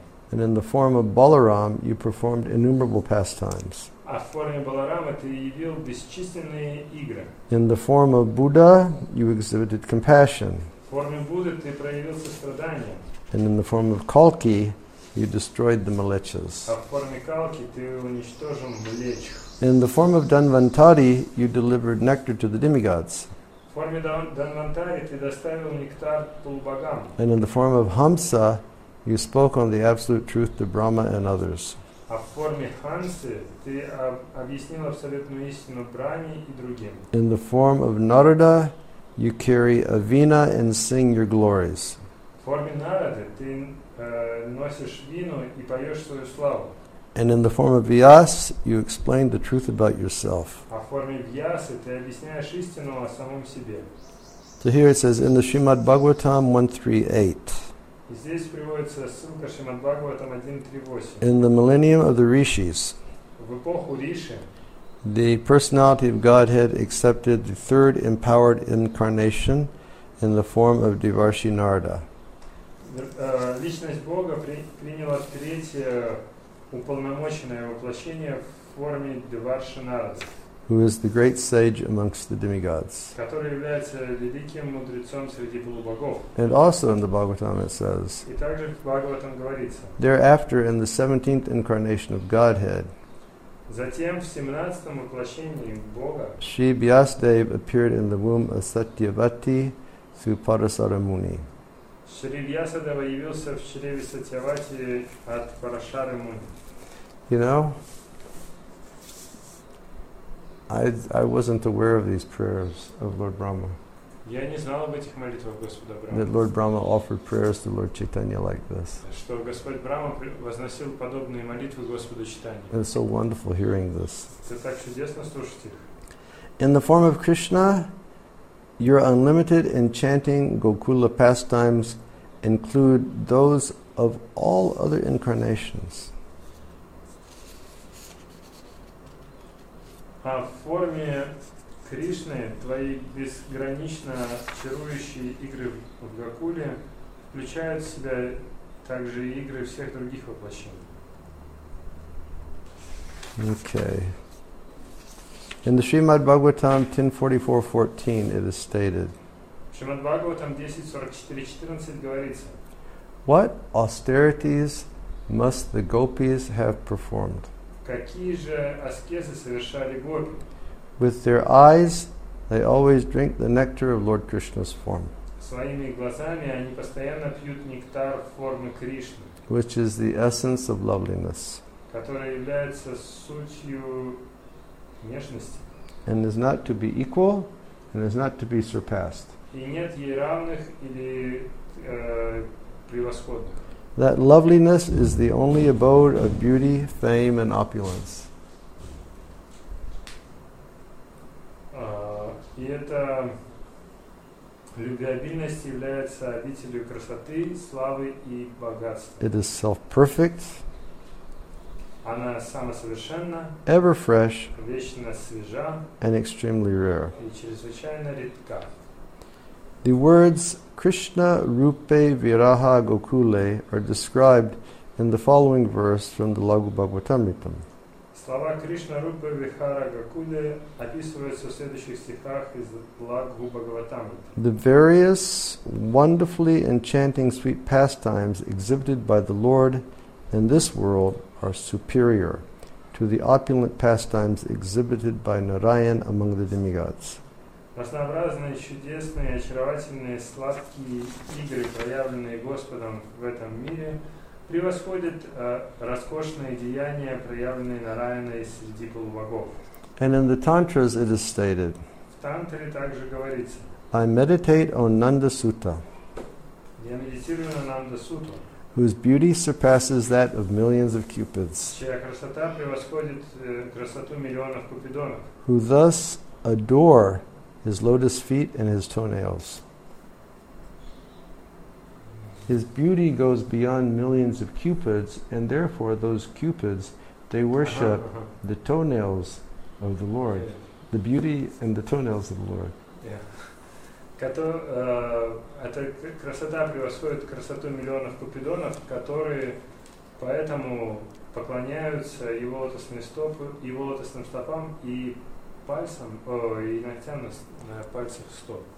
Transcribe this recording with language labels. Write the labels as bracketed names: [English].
[English] And in the form of Balaram, you performed innumerable pastimes. [Russian] А в форме Баларама ты явил бесчисленные игры. [English] In the form of Buddha, you exhibited compassion. [Russian] В форме Будды ты проявил сострадание. [English] And in the form of Kalki, you destroyed the Mlechas. [Russian] А в форме Калки ты уничтожил Млеч. [English] In the form of Dhanvantari, you delivered nectar to the demigods. [Russian] В форме Dhanvantari ты доставил нектар полубогам. [English] And in the form of Hamsa, you spoke on the absolute truth to Brahma and others. [Russian] А в форме Хансы ты объяснил абсолютную истину Брахме и другим. [English] In the form of Narada, you carry a veena and sing your glories. [Russian] форме нарады ты носишь вину и поешь свою славу. [English] And in the form of Vyas, you explain the truth about yourself. [Russian] А в форме Вьяса ты объясняешь истину о самом себе. [English] So here it says in the Srimad Bhagavatam 1.3.8. [Russian] Здесь приводится ссылка Шримад Бхагаватам 1.3.8. [English] In the millennium of the Rishis, [Russian] в эпоху Риши, [English] the personality of Godhead accepted the third empowered incarnation in the form of Devarshi Narada. [Russian] Личность Бога приняла третье уполномоченное воплощение в форме Деварши Нарада, [English] who is the great sage amongst the demigods. [Russian] Который является великим мудрецом среди полубогов. [English] And also in the Bhagavatam it says, [Russian] и также в Бхагаватам говорится, [English] thereafter in the 17th incarnation of Godhead, [Russian] затем в 17-м воплощении Бога, [English] Shri Vyasadeva appeared in the womb of Satyavati through Parasara Muni. [Russian] Shri Vyasadeva явился в чреве Сатьявати от Парашары Муни. [English] You know, I wasn't aware of these prayers of Lord Brahma. [Russian] Я не знал об этих молитвах Господа Брахмы. [English] That Lord Brahma offered prayers to Lord Chaitanya like this. [Russian] Что Господь Брахма возносил подобные молитвы Господу Чайтанье. [English] It's so wonderful hearing this. [Russian] Это так чудесно слушать их. [English] In the form of Krishna, your unlimited and chanting Gokula pastimes include those of all other incarnations. [Russian] А в форме Кришны твои безгранично чарующие игры в Гокуле включают в себя также игры всех других воплощений. [English] Okay. In the Srimad Bhagavatam 10.44.14 it is stated. [Russian] В Srimad Bhagavatam 10.44.14 говорится. [English] What austerities must the gopis have performed? [Russian] Какие же аскезы совершали гопи? [English] With their eyes, they always drink the nectar of Lord Krishna's form. [Russian] Своими глазами они постоянно пьют нектар формы Кришны. [English] Which is the essence of loveliness. [Russian] Которая является сутью нежности. [English] And is not to be equal, and is not to be surpassed. [Russian] И нет ей равных или превосходных. [English] That loveliness is the only abode of beauty, fame, and opulence. [Russian] И эта любвеобильность является обителью красоты, славы и богатства. [English] It is self-perfect. [Russian] Она самосовершенна. [English] Ever fresh. [Russian] Вечно свежа. [English] And extremely rare. [Russian] И чрезвычайно редка. [English] The words Krishna Rupe Viraha Gokule are described in the following verse from the Lagu Bhagavatamritam. [Russian] Слова Кришна Рупе Вихара Гокуле описываются в следующих стихах из Лагу Бхагаватамритам. [English] The various wonderfully enchanting sweet pastimes exhibited by the Lord in this world are superior to the opulent pastimes exhibited by Narayan among the demigods. [Russian] Разнообразные, чудесные, очаровательные, сладкие игры, проявленные Господом в этом мире, превосходят роскошные деяния, проявленные Нараяной среди полубогов. [English] And in the tantras it is stated, [Russian] в тантре также говорится, [English] I meditate on Нанда-сута, [Russian] я медитирую на Нанда-суту, [English] whose beauty surpasses that of millions of cupids, [Russian] чья красота превосходит красоту миллионов купидонов, [English] who thus adore his lotus feet and his toenails. His beauty goes beyond millions of cupids, and therefore those cupids, they worship the toenails of the Lord. The beauty and the toenails of the Lord. [Russian] Эта красота превосходит красоту миллионов купидонов, которые поэтому поклоняются его лотосным стопам, его лотосным стопам и пальцем, и ногтям на пальцах стоп.